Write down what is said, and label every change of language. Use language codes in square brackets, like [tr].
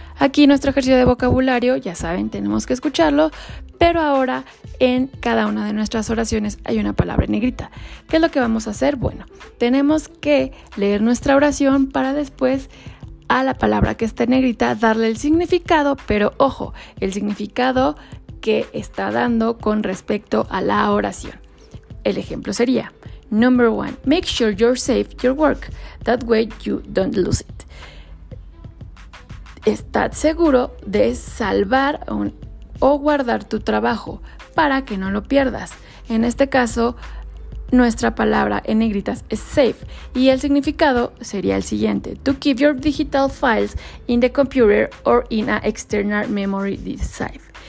[es] Aquí nuestro ejercicio de vocabulario, ya saben, tenemos que escucharlo, pero ahora en cada una de nuestras oraciones hay una palabra en negrita. ¿Qué es lo que vamos a hacer? Bueno, tenemos que leer nuestra oración para después a la palabra que está en negrita darle el significado, pero ojo, el significado que está dando con respecto a la oración. El ejemplo sería, [en] number one, make sure you're safe your work, that way you don't lose it. [es] Estad seguro de salvar o guardar tu trabajo para que no lo pierdas. En este caso, nuestra palabra en negritas es safe y el significado sería el siguiente, [en] to keep your digital files in the computer or in an external memory drive.